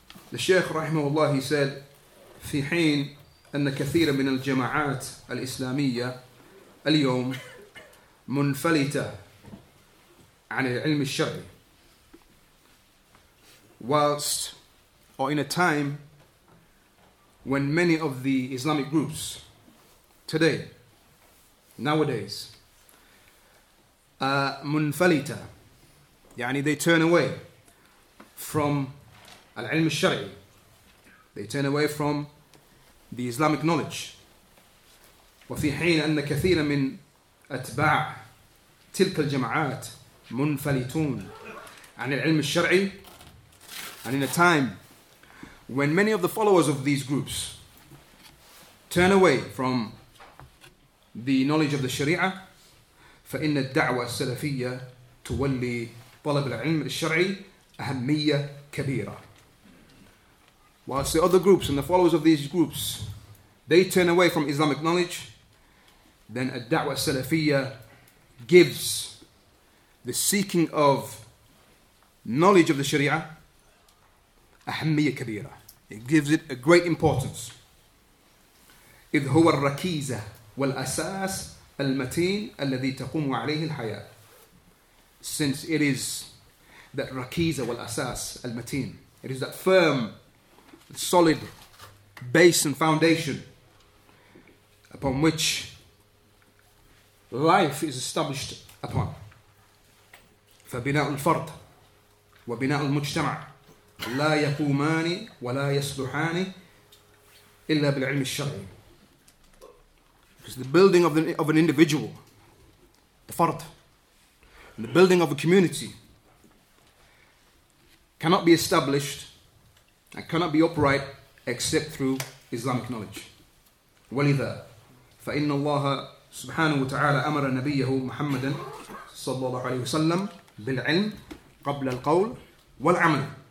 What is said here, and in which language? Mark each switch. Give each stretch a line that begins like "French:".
English: The Shaykh rahimahullah, he said,
Arabic: في حين أن كثير من الجماعات الإسلامية اليوم منفلتة عن العلم الشرعي.
English: Whilst, or in a time when many of the Islamic groups today, nowadays,
Arabic: منفلتة, يعني
English: they turn away from
Arabic: العلم الشرعي,
English: they turn away from the Islamic knowledge.
Arabic: وفي حين أن كثير من أتباع تلك الجماعات منفلتون عن العلم الشرعي,
English: and in a time when many of the followers of these groups turn away from the knowledge of the Sharia,
Arabic: فإن الدعوة السلفية تولي طلب العلم الشرعي أهمية كبيرة.
English: Whilst the other groups and the followers of these groups, they turn away from Islamic knowledge, then
Arabic: الدعوة السلفية
English: gives the seeking of knowledge of the Sharia
Arabic: أهمية كبيرة.
English: It gives it a great importance.
Arabic: إذ هو الركيزة والأساس المتين الذي تقوم عليه الحياة.
English: Since it is that
Arabic: rakiza wal asas al matin,
English: it is that firm, solid base and foundation upon which life is established upon.
Arabic: فبناء الفرد وبناء المجتمع لا يقومان ولا يصلحان إلا بالعلم الشرعي.
English: Because the building of an individual, the fard, the building of a community cannot be established and cannot be upright except through Islamic knowledge.
Arabic: وَلِذَا فَإِنَّ اللَّهَ سُبْحَانَهُ وَتَعَالَى أَمَرَ نَبِيَّهُ مُحَمَّدًا صلى الله عليه وسلم بالعلم قبل القول والعمل.